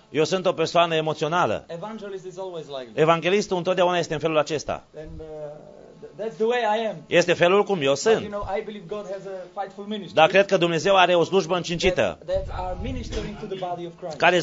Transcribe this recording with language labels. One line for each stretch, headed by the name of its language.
Romanian: Eu sunt o persoană emoțională.
English: Evangelist is always like this.
Romanian: Evanghelistul întotdeauna este în felul acesta.
English: And, that's the way I am.
Romanian: Este felul cum eu sunt.
English: But, you know, I believe God has a fightful ministry.
Romanian: Dar cred că Dumnezeu are o slujbă încincită.
English: That are ministering to the body of Christ.